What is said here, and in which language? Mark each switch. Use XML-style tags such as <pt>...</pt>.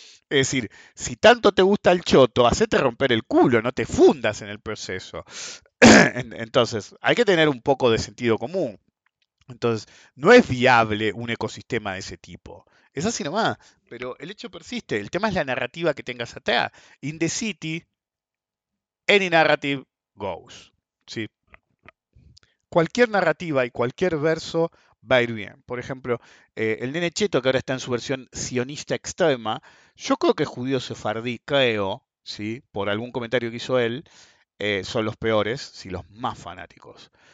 <es>Es decir, si tanto te gusta el choto, hacete romper el culo, no te fundas en el proceso. Entonces, hay que tener un poco de sentido común. Entonces, no es viable un ecosistema de ese tipo. Es así nomás, pero el hecho persiste. El tema es la narrativa que tengas atrás.</es> <en>In the city, any narrative goes.</en> <es>¿Sí? Cualquier narrativa y cualquier verso va a ir bien. Por ejemplo, el Nene Cheto, que ahora está en su versión sionista extrema, yo creo que es judío sefardí, creo, ¿sí? Por algún comentario que hizo él, son los peores, si sí, los más fanáticos.</es>